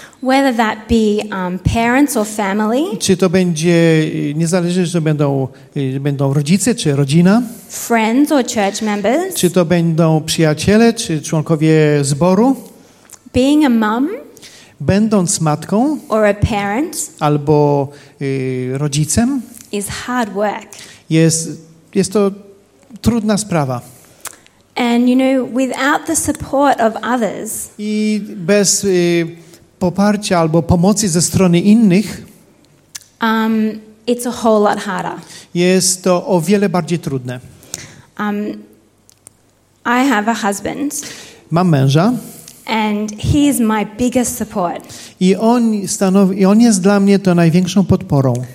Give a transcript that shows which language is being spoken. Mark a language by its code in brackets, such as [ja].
[en] Whether that be parents or family. [pl] Czy to będzie, nie zależy, czy to będą rodzice, czy rodzina. [en] Friends or church members. [pl] Czy to będą przyjaciele, czy członkowie zboru. [en] Being a mum. [pl] Będąc matką. [en] Or a parent. [pl] Albo rodzicem. [en] Is hard work. [pl] Jest to trudna sprawa. [en] And you know, without the support of others. [pl] I bez poparcia albo pomocy ze strony innych. [en] It's a whole lot harder. [pl] Jest to o wiele bardziej trudne. [en] I have a husband. [pl] Mam męża. [en] And he is my biggest support. [pl] I on jest dla mnie to największą podporą.